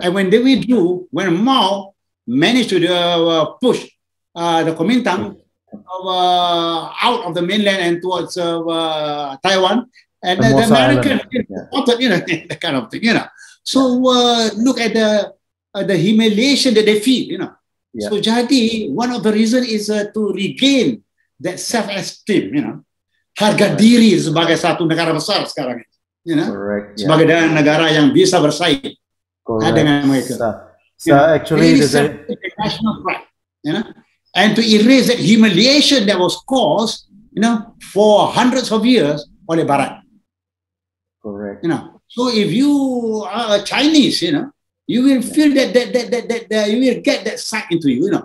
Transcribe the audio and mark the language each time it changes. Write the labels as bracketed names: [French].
[English] And when they withdrew, when Mao managed to push the Kuomintang out of the mainland and towards Taiwan, And the American important, you know, that kind of thing, you know. So look at the humiliation that they feel, you know. Yeah. So jadi one of the reason is to regain that self-esteem, you know, harga right. [Indonesian] diri sebagai satu negara besar sekarang, you know, [English] correct, yeah. [Indonesian] sebagai negara yang bisa bersaing dengan mereka. [English] So actually, the national pride, you know, and to erase that humiliation that was caused, you know, for hundreds of years oleh Barat. Correct. You know, so if you are a Chinese, you know. You will feel that you will get that sight into you, you know.